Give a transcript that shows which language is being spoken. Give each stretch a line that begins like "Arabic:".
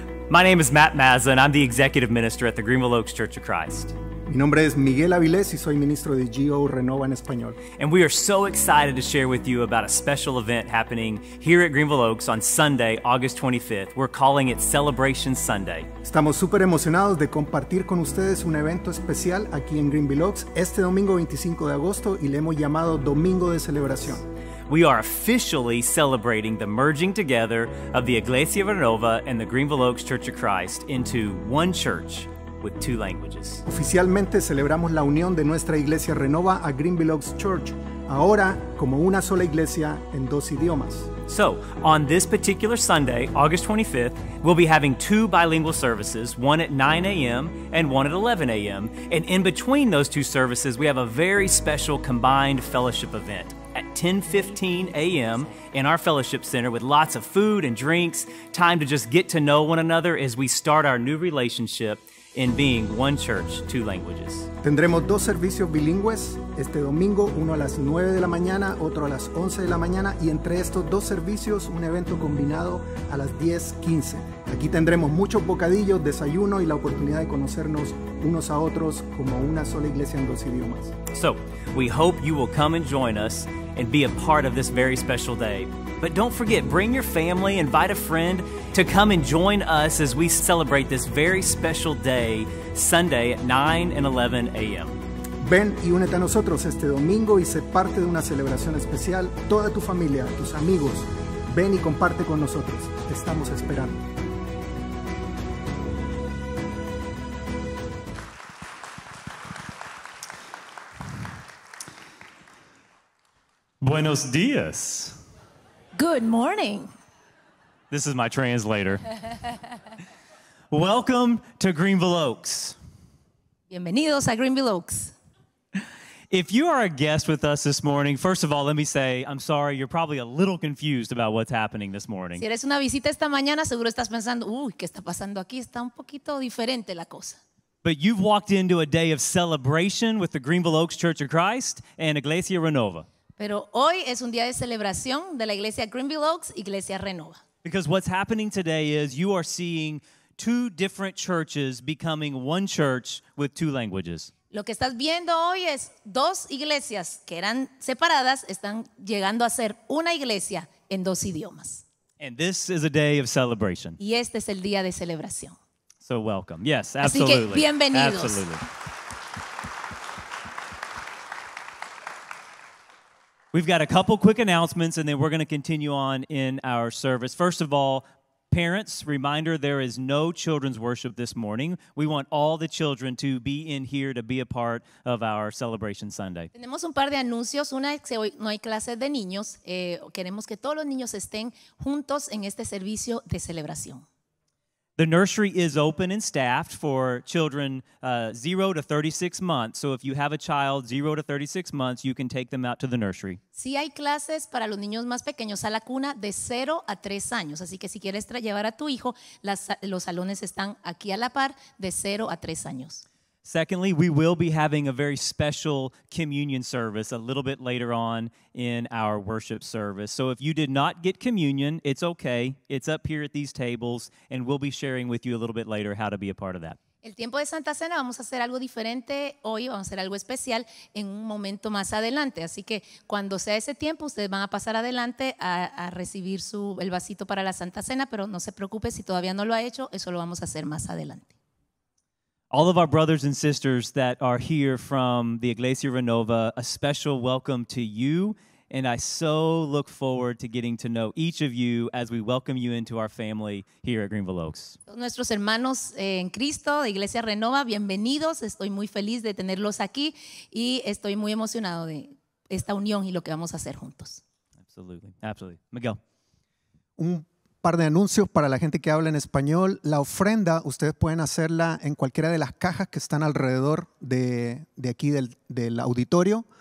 English: My name is Matt Mazza, and I'm the executive minister at the Greenville Oaks Church of Christ.
Spanish: Mi nombre es Miguel Avilés y soy ministro de GO Renova en español.
English: And we are so excited to share with you about a special event happening here at Greenville Oaks on Sunday, August 25th. We're calling it Celebration Sunday.
Spanish: Estamos súper emocionados de compartir con ustedes un evento especial aquí en Greenville Oaks este domingo 25 de agosto y le hemos llamado Domingo de Celebración.
English: We are officially celebrating the merging together of the Iglesia Renova and the Greenville Oaks Church of Christ into one church with two languages.
Spanish: Oficialmente celebramos la unión de nuestra Iglesia Renova a Greenville Oaks Church, ahora como una sola iglesia en dos idiomas.
English: So, on this particular Sunday, August 25th, we'll be having two bilingual services, one at 9 a.m. and one at 11 a.m. And in between those two services, we have a very special combined fellowship event at 10:15 a.m. in our fellowship center with lots of food and drinks, time to just get to know one another as we start our new relationship in being one church, two languages.
Spanish: Tendremos dos servicios bilingües este domingo, uno a las 9 de la mañana, otro a las 11 de la mañana, y entre estos dos servicios, un evento combinado a las 10:15. Aquí tendremos muchos bocadillos, desayuno, y la oportunidad de conocernos unos a otros como una sola iglesia en dos idiomas.
English: So, we hope you will come and join us and be a part of this very special day. But don't forget, bring your family, invite a friend to come and join us as we celebrate this very special day, Sunday at 9 and 11 a.m.
Spanish: Ven y únete a nosotros este domingo y sé parte de una celebración especial. Toda tu familia, tus amigos, ven y comparte con nosotros. Te estamos esperando. Buenos días.
English: Good morning. This is my translator. Welcome to Greenville Oaks.
Spanish: Bienvenidos a Greenville Oaks.
English: If you are a guest with us this morning, first of all, let me say, I'm sorry, you're probably a little confused about what's happening this morning.
Spanish: Si eres una visita esta mañana, seguro estás pensando, uy, ¿qué está pasando aquí? Está un poquito diferente la cosa.
English: But you've walked into a day of celebration with the Greenville Oaks Church of Christ and Iglesia Renova.
Spanish: Pero hoy es un día de celebración de la Iglesia Greenville Oaks, Iglesia Renova.
English: Because what's happening today is you are seeing two different churches becoming one church with two languages.
Spanish: Lo que estás viendo hoy es dos iglesias que eran separadas están llegando a ser una iglesia en dos idiomas.
English: And this is a day of celebration.
Spanish: Y este es el día de celebración.
English: So welcome. Yes, absolutely.
Spanish: Así que bienvenidos.
English: Absolutely. We've got a couple quick announcements, and then we're going to continue on in our service. First of all, parents, reminder, there is no children's worship this morning. We want all the children to be in here to be a part of our Celebration Sunday.
Spanish: Tenemos un par de anuncios. Una es que hoy no hay clases de niños. Queremos que todos los niños estén juntos en este servicio de celebración.
English: The nursery is open and staffed for children 0 to 36 months. So if you have a child 0 to 36 months, you can take them out to the nursery.
Spanish: Sí hay clases para los niños más pequeños a la cuna de 0 a 3 años. Así que si quieres llevar a tu hijo, los salones están aquí a la par de 0 a 3 años.
English: Secondly, we will be having a very special communion service a little bit later on in our worship service. So if you did not get communion, it's okay. It's up here at these tables, and we'll be sharing with you a little bit later how to be a part of that.
Spanish: El tiempo de Santa Cena, vamos a hacer algo diferente hoy, vamos a hacer algo especial en un momento más adelante. Así que cuando sea ese tiempo, ustedes van a pasar adelante a recibir el vasito para la Santa Cena, pero no se preocupe si todavía no lo ha hecho, eso lo vamos a hacer más adelante.
English: All of our brothers and sisters that are here from the Iglesia Renova, a special welcome to you, and I so look forward to getting to know each of you as we welcome you into our family here at Greenville Oaks.
Spanish: Nuestros hermanos en Cristo, de Iglesia Renova, bienvenidos. Estoy muy feliz de tenerlos aquí y estoy muy emocionado de esta unión y lo que vamos a hacer juntos.
English: Absolutely, absolutely. Miguel.
Spanish: Par de anuncios para la gente que habla en español. La ofrenda, ustedes pueden hacerla en cualquiera de las cajas que están alrededor de aquí del auditorio.